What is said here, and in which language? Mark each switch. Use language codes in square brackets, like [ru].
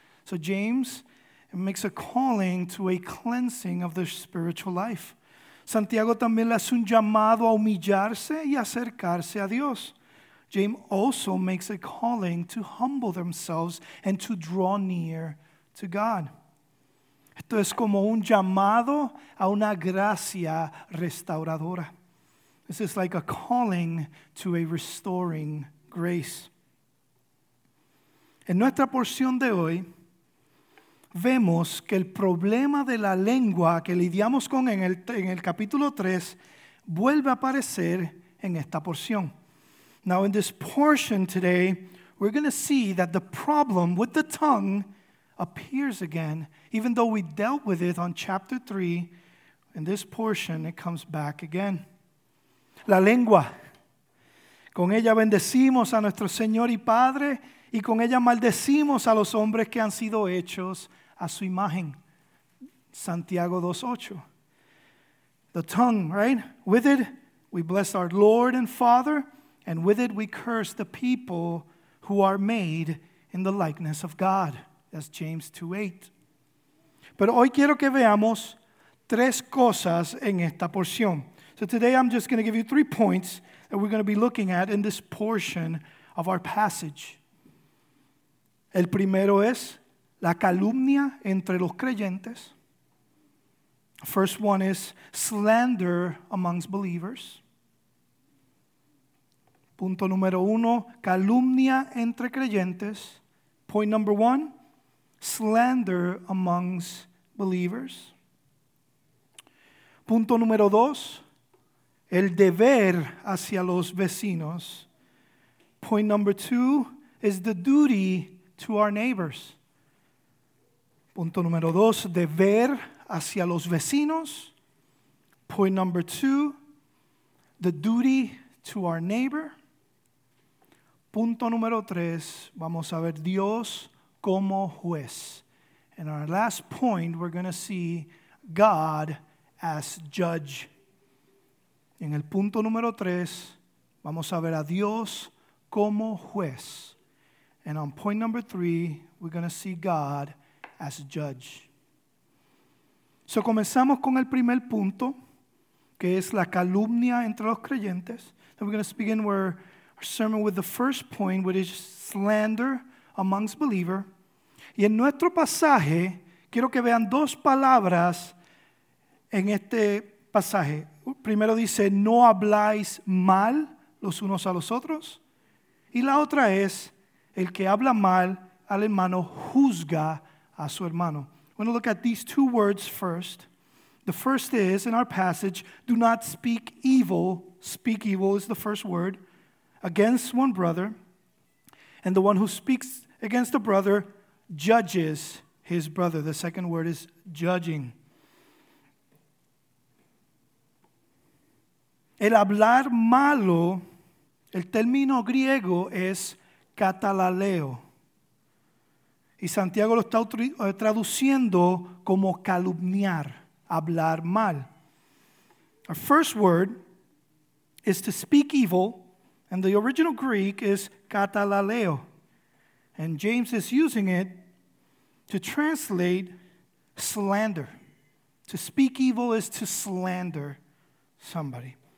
[en] So James makes a calling to a cleansing of their spiritual life. [es] Santiago también le hace un llamado a humillarse y acercarse a Dios. [en] James also makes a calling to humble themselves and to draw near to God. [es] Esto es como un llamado a una gracia restauradora. [en] This is like a calling to a restoring grace. [es] En nuestra porción de hoy, vemos que el problema de la lengua que lidiamos con en el capítulo 3 vuelve a aparecer en esta porción. [en] Now in this portion today, we're going to see that the problem with the tongue appears again, even though we dealt with it on chapter 3, in this portion, it comes back again. [es] La lengua. Con ella bendecimos a nuestro Señor y Padre, y con ella maldecimos a los hombres que han sido hechos a su imagen. [en] Santiago 2:8. The tongue, right? With it, we bless our Lord and Father, and with it we curse the people who are made in the likeness of God. That's James 2:8. [es] Pero hoy quiero que veamos tres cosas en esta porción. [en] So today I'm just going to give you 3 points that we're going to be looking at in this portion of our passage. [es] El primero es la calumnia entre los creyentes. [en] First one is slander amongst believers. [es] Punto número uno, calumnia entre creyentes. [en] Point number one, slander amongst believers. [es] Punto número dos, el deber hacia los vecinos. [en] Point number two is the duty to our neighbors. [es] Punto número dos, deber hacia los vecinos. [en] Point number two, the duty to our neighbor. [es] Punto número tres, vamos a ver Dios como juez. [en] And our last point, we're going to see God as judge. [es] En el punto número tres, vamos a ver a Dios como juez. [en] And on point number three, we're going to see God as judge. [es] So comenzamos con el primer punto, que es la calumnia entre los creyentes. [en] And we're going to begin where sermon with the first point, which is slander amongst believer. [es] Y en nuestro pasaje, quiero que vean dos palabras en este pasaje. Primero dice, no habláis mal los unos a los otros. Y la otra es, el que habla mal al hermano juzga a su hermano. [en] I want to look at these two words first. The first is, in our passage, do not speak evil. Speak evil is the first word. Against one brother, and the one who speaks against the brother judges his brother. The second word is judging. [es] El hablar malo, el término griego es catalaleo. Y Santiago lo está traduciendo como calumniar, hablar mal. [en] Our first word is to speak evil. And the original Greek is katalaleo. And James is using it to translate slander. To speak evil is to slander somebody.